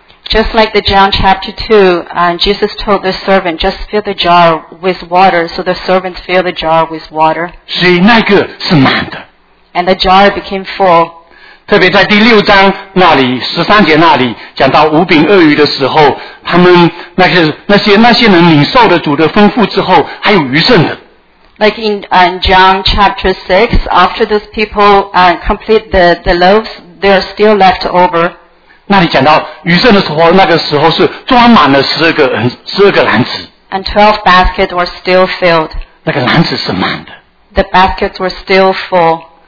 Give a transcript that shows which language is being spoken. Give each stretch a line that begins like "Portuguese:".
English: Just like the John chapter 2, Jesus told the servant, just fill the jar with water, so the servant filled the jar with water.
Chinese: 所以那个是满的。
English: And the jar became full.
Chinese: 特别在第六章那里，十三节那里，讲到五饼二鱼的时候，他们那些人领受了主的丰富之后，还有余剩的。
English: Like in John chapter 6, after those people complete the loaves, they are still left over.
Chinese: 那里讲到余剩的时候，那个时候是装满了十二个篮子。
English: And 12 baskets were still filled.
Chinese: 那个篮子是满的。
English: The baskets were still full.